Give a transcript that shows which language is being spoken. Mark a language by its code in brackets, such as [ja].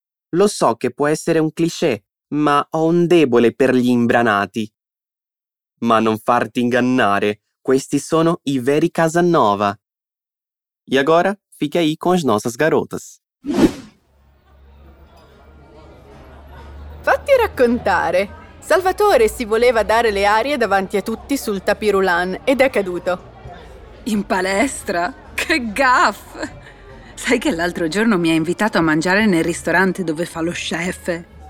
[it] Lo so che può essere un cliché, ma ho un debole per gli imbranati. Ma non farti ingannare, questi sono i veri Casanova. [pt] E agora, fica aí com as nossas garotas. [it] Fatti raccontare. Salvatore si voleva dare le arie davanti a tutti sul tapis roulant ed è caduto. In palestra? Che gaffe! Sai che l'altro giorno mi ha invitato a mangiare nel ristorante dove fa lo chef?